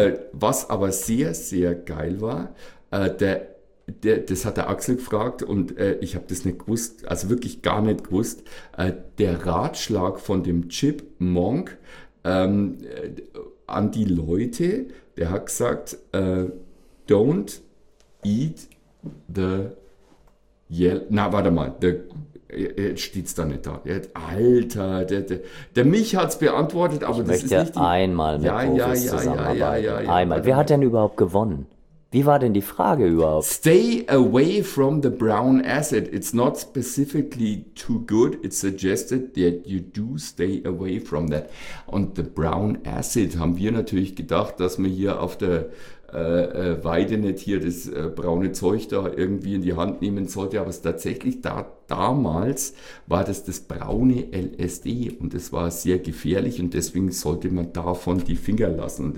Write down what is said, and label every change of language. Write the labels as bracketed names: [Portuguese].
[German] Was aber sehr, sehr geil war, das hat der Axel gefragt und ich habe das nicht gewusst, also wirklich gar nicht gewusst, der Ratschlag von dem Chipmunk an die Leute, der hat gesagt, [English] don't eat the yellow, [German] na warte mal, jetzt steht es da nicht da. Alter, der Mich hat es beantwortet, aber ich das ist nicht die... Ich möchte einmal mit Profis zusammenarbeiten. Einmal. Wer hat denn überhaupt gewonnen? Wie war denn die Frage überhaupt? [English] Stay away from the brown acid. It's not specifically too good. It's suggested that you do stay away from that. [German] Und the brown acid haben wir natürlich gedacht, dass wir hier auf der Weide nicht hier das braune Zeug da irgendwie in die Hand nehmen sollte, aber es tatsächlich damals war das braune LSD und es war sehr gefährlich und deswegen sollte man davon die Finger lassen.